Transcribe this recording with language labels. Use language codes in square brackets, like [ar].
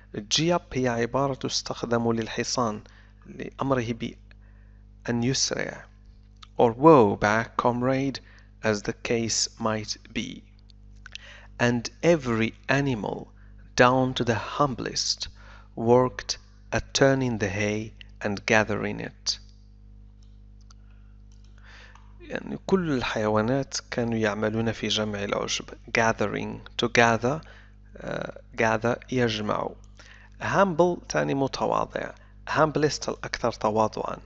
[en] Gee up [ar] هي عبارة تستخدم للحصان لأمره بأن يسرع [en] or whoa back comrade as the case might be. And every animal, down to the humblest, worked at turning the hay and gathering it. [ar] يعني كل الحيوانات كانوا يعملون في جمع العشب. [en] Gathering, to gather, gather, يجمع. [ar] Humble تعني متواضع. Humblest الأكثر تواضعا.